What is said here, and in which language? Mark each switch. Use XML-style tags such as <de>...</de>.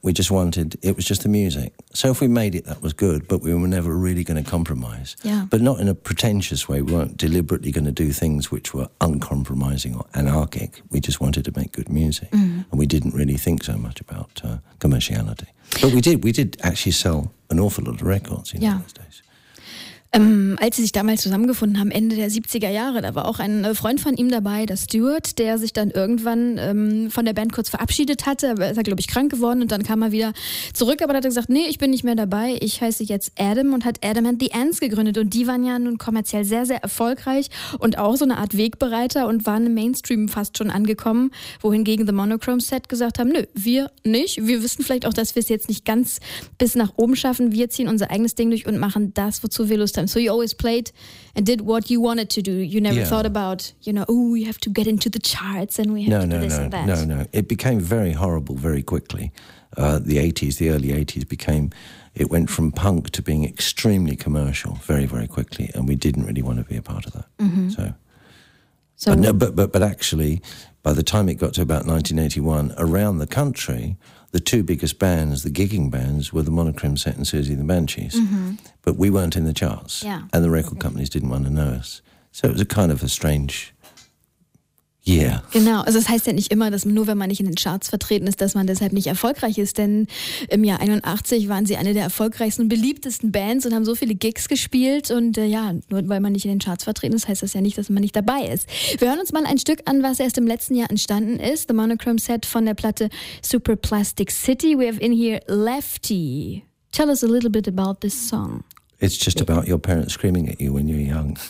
<en>We just wanted, it was just the music. So if we made it, that was good, but we were never really going to compromise. Yeah. But not in a pretentious way. We weren't deliberately going to do things which were uncompromising or anarchic. We just wanted to make good music. Mm. And we didn't really think so much about commerciality. But we did actually sell an awful lot of records in those days.</en> <de>Als sie sich damals zusammengefunden haben, Ende der 70er Jahre, da war auch ein Freund von ihm dabei, der Stuart, der sich dann irgendwann von der Band kurz verabschiedet hatte. Er ist, glaube ich, krank geworden und dann kam er wieder zurück, aber hat er gesagt, nee, ich bin nicht mehr dabei, ich heiße jetzt Adam und hat Adam and the Ants gegründet. Und die waren ja nun kommerziell sehr, sehr erfolgreich und auch so eine Art Wegbereiter und waren im Mainstream fast schon angekommen, wohingegen The Monochrome Set gesagt haben, nö, wir nicht. Wir wissen vielleicht auch, dass wir es jetzt nicht ganz bis nach oben schaffen. Wir ziehen unser eigenes Ding durch und machen das, wozu wir Lust haben.</de> <en>So you always played and did what you wanted to do. You never thought about, you know, oh, we have to get into the charts and we have to do this and that. No, no, it became very horrible very quickly. The early 80s became, it went from punk to being extremely commercial very, very quickly. And we didn't really want to be a part of that. Mm-hmm. But actually, by the time it got to about 1981, around the country, the two biggest bands, the gigging bands, were the Monochrome Set and Susie and the Banshees. Mm-hmm. But we weren't in the charts. Yeah. And the record companies didn't want to know us. So it was a kind of a strange year.</en> <de>Genau, also das heißt ja nicht immer, dass nur wenn man nicht in den Charts vertreten ist, dass man deshalb nicht erfolgreich ist. Denn im Jahr 81 waren sie eine der erfolgreichsten und beliebtesten Bands und haben so viele Gigs gespielt. Und nur weil man nicht in den Charts vertreten ist, heißt das ja nicht, dass man nicht dabei ist. Wir hören uns mal ein Stück an, was erst im letzten Jahr entstanden ist.</de> <en>The Monochrome Set</en> <de>von der Platte</de> <en>Super Plastic City. We have in here Lefty. Tell us a little bit about this song. It's just about your parents screaming at you when you're young.</en>